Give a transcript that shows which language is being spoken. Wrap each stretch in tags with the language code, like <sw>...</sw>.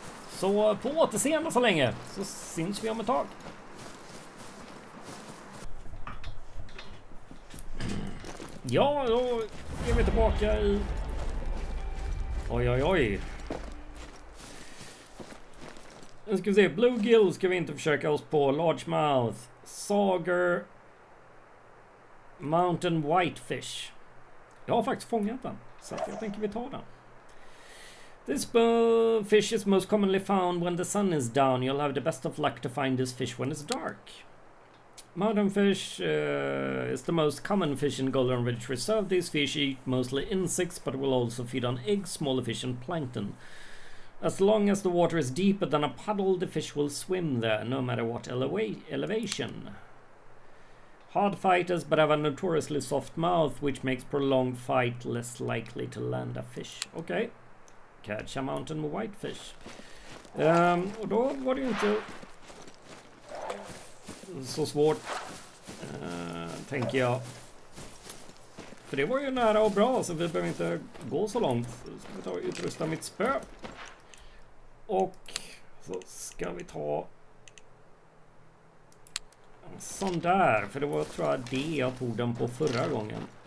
<sv>Så på återseende så länge, så syns vi om ett tag. Ja, då är vi tillbaka i... Oj, oj, oj. Nu ska vi se, bluegill ska vi inte försöka oss på.</sv> <en>Largemouth, sager, mountain whitefish.</en> <sv>Jag har faktiskt fångat den, så jag tänker vi tar den.</sv> <en>This fish is most commonly found when the sun is down. You'll have the best of luck to find this fish when it's dark. Mountain fish is the most common fish in Golden Ridge Reserve. These fish eat mostly insects, but will also feed on eggs, smaller fish and plankton. As long as the water is deeper than a puddle, the fish will swim there, no matter what elevation. Hard fighters, but have a notoriously soft mouth, which makes prolonged fight less likely to land a fish. Okay. Catch a mountain whitefish.</en> <sv>Och då var det ju inte så svårt, tänker jag. För det var ju nära och bra, så vi behöver inte gå så långt. Ska vi ta och utrusta mitt spö. Och så ska vi ta en sån där, för det var, tror jag, det jag tog den på förra gången.</sv>